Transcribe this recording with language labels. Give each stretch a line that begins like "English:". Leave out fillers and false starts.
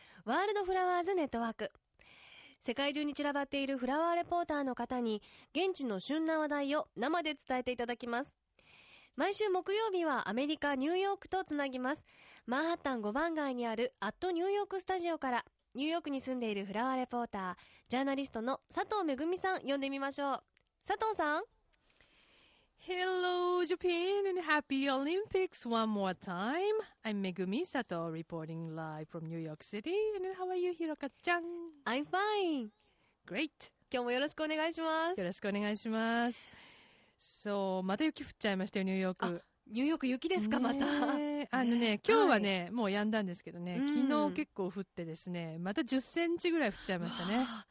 Japanese: ワールドフラワーズネットワーク。世界中に散らばっているフラワーレポーターの方に現地の旬な話題を生で伝えていただきます。毎週木曜日はアメリカニューヨークとつなぎます。マンハッタン5番街にあるアットニューヨークスタジオから、ニューヨークに住んでいるフラワーレポータージャーナリストの佐藤めぐみさん呼んでみましょう。佐藤さん。
English: Hello, Japan, and happy Olympics one more time. I'm Megumi Sato, reporting live from New York City. And how are you, Hiroka-chan? I'm fine. Great.
Japanese: 今日もよろしくお願いします。よろしくお願いします。So, また雪降っちゃいましたよ、ニューヨーク。ニューヨーク雪ですか、ね、また。あのね、今日はね、はい、もうやんだんですけどね、昨日結構降ってですね、また10センチぐらい降っちゃいましたね。